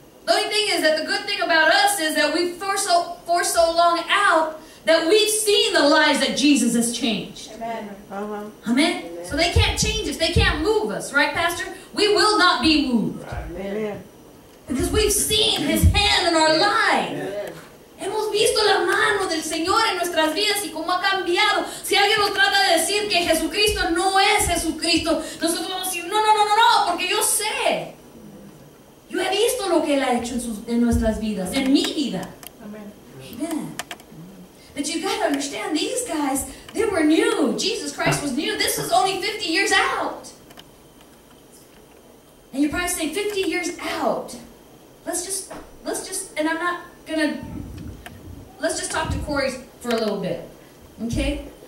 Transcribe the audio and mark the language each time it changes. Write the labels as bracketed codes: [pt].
[en] The only thing is that the good thing about us is that we've for so long out that we've seen the lives that Jesus has changed. Amen. Uh-huh. Amen. Amen. So they can't change us. They can't move us. Right, Pastor? We will not be moved. Amen. Because we've seen His hand in our lives. Amen. And we'll [es] visto la mano del Señor en nuestras vidas y cómo ha cambiado. Si alguien nos trata de decir que Jesucristo no es Jesucristo, nosotros vamos a decir, no, porque yo sé. Yo he visto lo que Él ha hecho en nuestras vidas, en mi vida. Amen. [en] Amen. But you've got to understand, these guys, they were new. Jesus Christ was new. This is only 50 years out. And you're probably saying, 50 years out. Let's just talk to Corey for a little bit. Okay?